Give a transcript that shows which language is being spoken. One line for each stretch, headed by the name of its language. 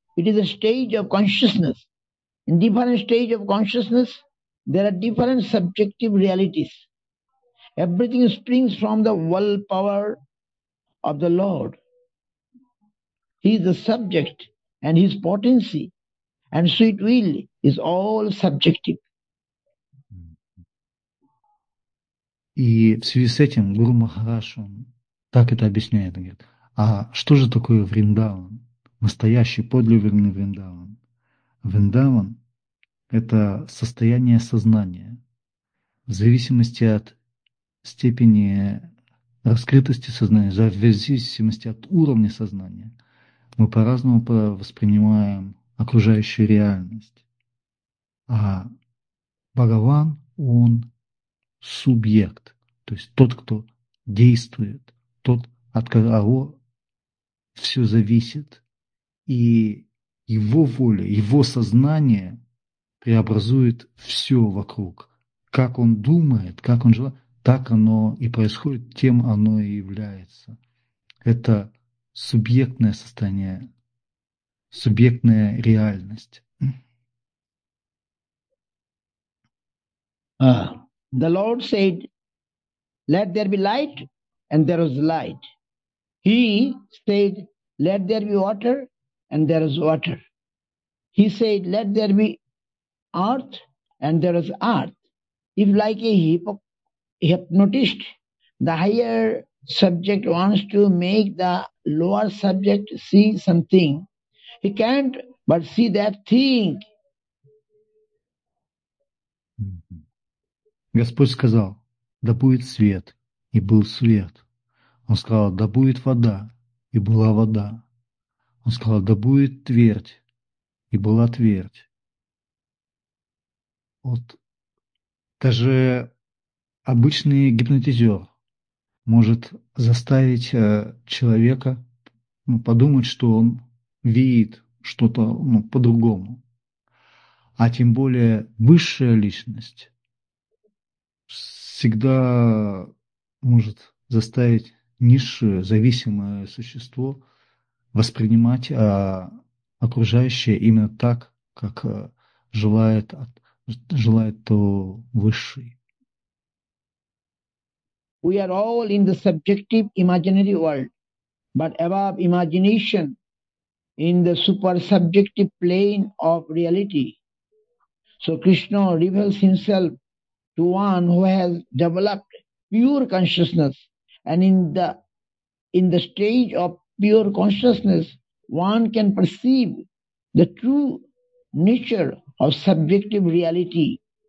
English: It is a stage of consciousness. In different stage of consciousness, there are different subjective realities. Everything springs from the will power of the Lord. He is the subject and his potency and sweet will is all subjective.
Russian: И в связи с этим Гуру Махарадж так это объясняет. Он говорит, а что же такое Вриндаван? Настоящий, подлинный Вриндаван. Вриндаван – это состояние сознания. В зависимости от степени раскрытости сознания, в зависимости от уровня сознания, мы по-разному воспринимаем окружающую реальность. А Бхагаван, он субъект, то есть тот, кто действует, тот, от кого все зависит. И его воля, его сознание преобразует все вокруг. Как он думает, как он живет, так оно и происходит, тем оно и является. Это субъектное состояние, субъектная реальность.
English: The Lord said, let there be light, and there was light. He said, let there be water, and there is water. He said, let there be earth, and there is earth. If like a hypnotist, the higher subject wants to make the lower subject see something, he can't but see that thing.
Russian: Господь сказал, да будет свет, и был свет. Он сказал, да будет вода, и была вода. Он сказал, да будет твердь, и была твердь. Вот даже обычный гипнотизер может заставить человека подумать, что он видит что-то по-другому. А тем более высшая личность всегда может заставить низшее, зависимое существо воспринимать окружающее именно так, как желает то высший.
English: We are all in the subjective imaginary world, but above imagination, in the super subjective plane of reality. So Krishna reveals himself to one who has developed pure consciousness, and in the stage of pure consciousness, one can perceive the true nature of subjective reality.